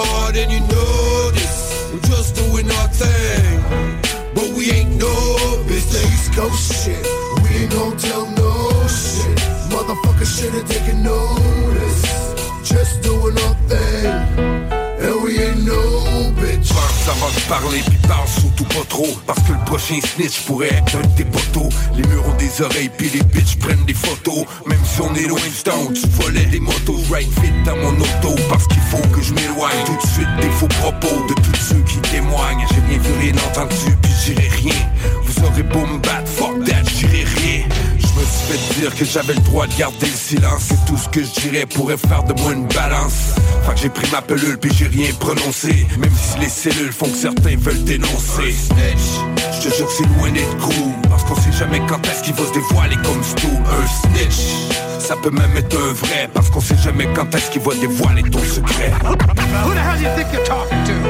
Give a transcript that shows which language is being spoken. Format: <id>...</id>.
<en>And you know this, we're just doing our thing. But we ain't no bitch, the East Coast Shit. We ain't gon' tell no shit. Motherfuckers should've taken notice, just doing our thing. And we ain't no bitch.</en> <fr>Ça va se parler, puis parle surtout pas trop. Parce que le prochain snitch pourrait être un de tes poteaux. Les murs ont des oreilles, puis les bitches prennent des photos. Même si on est loin du temps où tu volais les motos. Ride vite dans mon auto, parce qu'il faut que je m'éloigne. Tout de suite des faux propos de tous ceux qui témoignent. J'ai rien vu, rien entendu, puis j'irai rien. Vous aurez beau me battre,</fr> <en>fuck that,</en> <fr>j'irai rien. Je me suis fait dire que j'avais le droit de garder le silence. Et tout ce que je dirais pourrait faire de moi une balance. Fait que j'ai pris ma pelule pis j'ai rien prononcé. Même si les cellules font que certains veulent dénoncer. Snitch, je te jure que c'est loin d'être cool. Parce qu'on sait jamais quand est-ce qu'il va se dévoiler comme Stu. Un snitch, ça peut même être un vrai. Parce qu'on sait jamais quand est-ce qu'il va dévoiler ton secret.</fr> <en>Who the hell do you think you're talking to?</en>